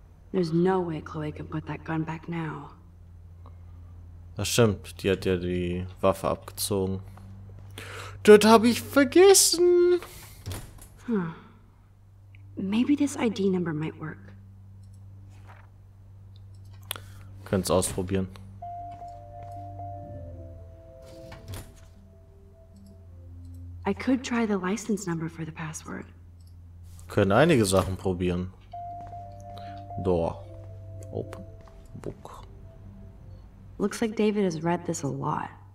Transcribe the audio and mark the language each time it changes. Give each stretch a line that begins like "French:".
English: There's no way Chloe can put that gun back now.
German: Das stimmt, die hat ja die Waffe abgezogen. Das habe ich vergessen.
English: Maybe this ID number might work.
German: Könnt's ausprobieren.
English: I could try the license number for the password.
German: Können einige Sachen probieren.
English: Door. Open. Book. Looks like David has read this a lot.